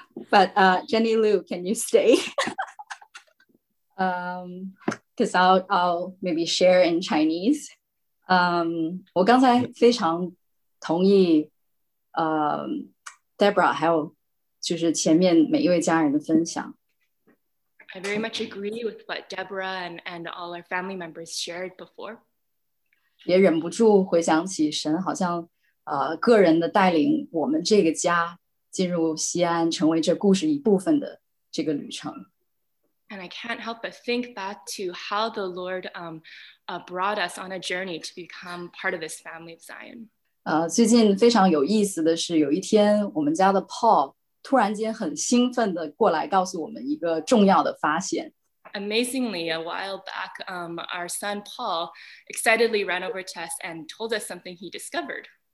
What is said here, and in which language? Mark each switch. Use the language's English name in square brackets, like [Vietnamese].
[English] But Jenny Liu, can you stay? Because I'll maybe share in Chinese. [Chinese] 我刚才非常同意Deborah 还有就是前面每一位家人的分享。 [English] I very much agree with what Deborah and all our family members shared before. [Chinese] 也忍不住回想起神好像个人的带领我们这个家进入西安成为这故事一部分的这个旅程。 [English] And I can't help but think back to how the Lord brought us on a journey to become part of this family of Zion. [Chinese] 最近非常有意思的是有一天我们家的 Paul 突然间很兴奋地过来告诉我们一个重要的发现。 [English] Amazingly, a while back, our son Paul excitedly ran over to us and told us something he discovered.